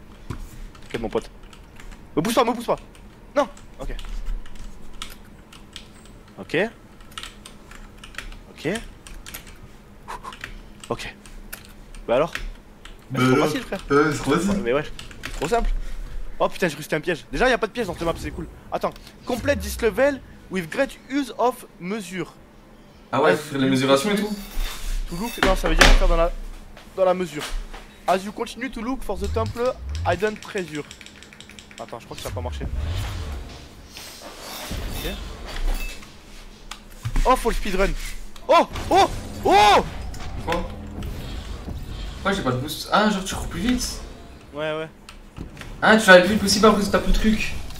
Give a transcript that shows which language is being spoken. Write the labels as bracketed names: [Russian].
[French] Ok, mon pote. Me pousse pas. Non! Ok. Ok. Ok. Ok. Bah alors c'est trop facile, frère. C'est trop facile. Mais ouais, c'est trop simple. Oh putain, j'ai cru que c'était un piège. Déjà, y'a pas de piège dans cette map, c'est cool. Attends. [English] Complete this level with great use of measure. [French] Ah ouais, faire les mesurations et tout. [English] To look, [French] non, ça veut dire faire dans la mesure. [English] As you continue to look for the temple hidden treasure. [French] Attends, je crois que ça a pas marché. Ok. Oh, faut le speedrun. Oh. Quoi? Pourquoi j'ai pas de boost? Ah, genre tu cours plus vite? Ouais. Hein, tu vas aller plus vite possible parce que t'as plus de trucs.